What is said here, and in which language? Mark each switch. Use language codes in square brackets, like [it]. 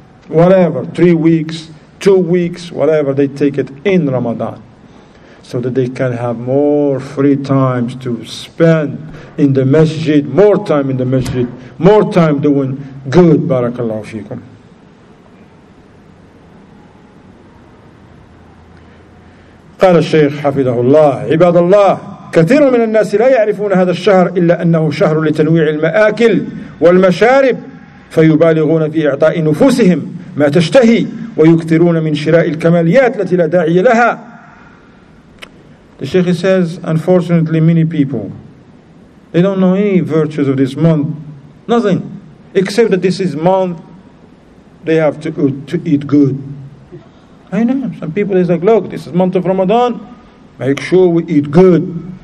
[en] Whatever, 3 weeks, 2 weeks, whatever, they take it in Ramadan. So that they can have more free times to spend in the masjid, more time in the masjid, more time doing good, [ar] barakallahu fikum. قال الشيخ حفظه الله عباد الله كثير من الناس لا يعرفون هذا الشهر إلا أنه شهر لتنويع المآكل والمشارب فيبالغون في إعطاء نفوسهم ما تشتهي ويكثرون من شراء الكماليات التي لا داعي لها. [en] The Sheikh says, unfortunately, many people, they don't know any virtues of this month, nothing, except that this is month they have to eat good. I know, some people is like, look, this is month of Ramadan, make sure we eat good.